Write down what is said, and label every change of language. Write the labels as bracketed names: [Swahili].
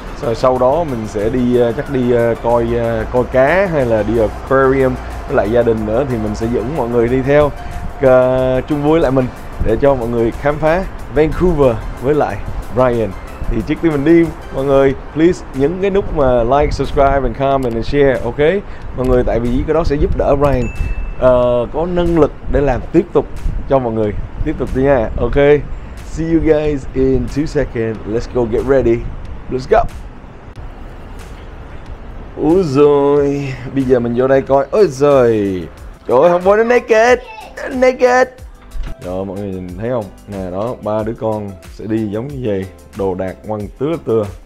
[Vietnamese] Rồi sau đó mình sẽ đi chắc đi coi cá hay là đi aquarium với lại gia đình nữa, thì mình sẽ dẫn mọi người đi theo chung vui lại mình để cho mọi người khám phá Vancouver với lại Brian. Thì trước khi mình đi, mọi người please nhấn cái nút mà [English] like, subscribe and comment and share, [Vietnamese] ok mọi người, tại vì cái đó sẽ giúp đỡ Brian có năng lực để làm tiếp tục cho mọi người tiếp tục đi nha. [English] Ok, see you guys in 2 seconds, let's go get ready. Let's go. [Vietnamese] Úi dồi, bây giờ mình vô đây coi. Úi dồi, trời ơi, hôm qua nó naked. Naked. Rồi mọi người nhìn thấy không? Nè đó, ba đứa con sẽ đi giống như vậy. Đồ đạc ngoan tứa tưa.